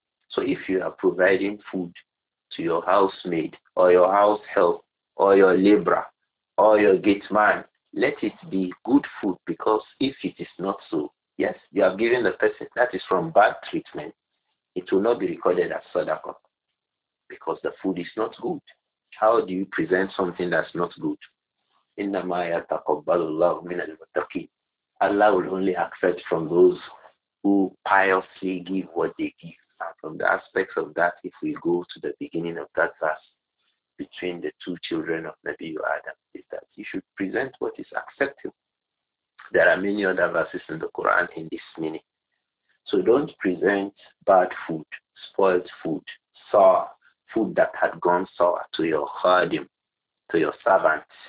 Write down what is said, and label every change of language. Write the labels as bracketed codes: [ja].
[en] So if you are providing food to your housemaid or your house help or your laborer or your gate man, let it be good food, because if it is not so, yes, you are giving the person that is from bad treatment, it will not be recorded as sadaqah because the food is not good. How do you present something that's not good? [ar] إنما يتقبل الله من المتقين. [en] Allah will only accept from those who piously give what they give. And from the aspects of that, if we go to the beginning of that verse, between the two children of Nabi Adam, is that you should present what is acceptable. There are many other verses in the Quran in this meaning. So don't present bad food, spoiled food, sour food that had gone sour to your khadim, to your servant.